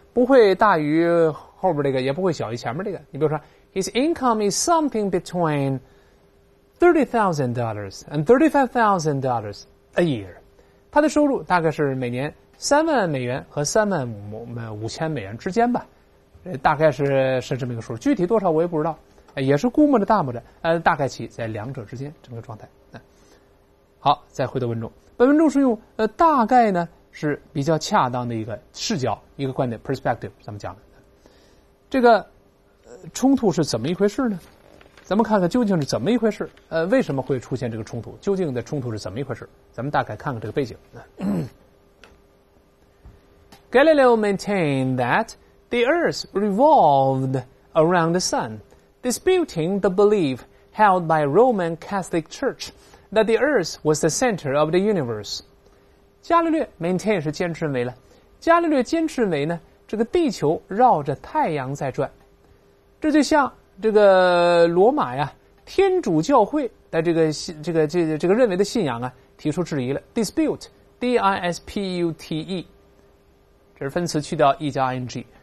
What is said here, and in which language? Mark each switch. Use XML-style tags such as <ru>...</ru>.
<zh>不会大于后边这个，也不会小于前面这个。你比如说</zh> <en>，His income is something between $30,000 and $35,000 a year。</en> <zh>他的收入大概是每年$30,000和35,000美元之间吧，大概是这么一个数。具体多少我也不知道，也是估摸着大摸着，大概其在两者之间这么个状态。好，再回到文中。本文中是用大概呢是比较恰当的一个视角，一个观点 perspective， 咱们讲的这个冲突是怎么一回事呢？咱们看看究竟是怎么一回事，为什么会出现这个冲突，究竟的冲突是怎么一回事，咱们大概看看这个背景。</zh> <en>Galileo maintained that the earth revolved around the sun, disputing the belief held by Roman Catholic ChurchThat the earth was the center of the universe.</en> <zh>伽利略 maintain 是坚持认为了。伽利略坚持认为呢，这个地球绕着太阳在转。这就像这个罗马呀，天主教会的这个认为的信仰啊，提出质疑了。 dispute，D-I-S-P-U-T-E， 这是分词，去掉 e 加 ing。</zh>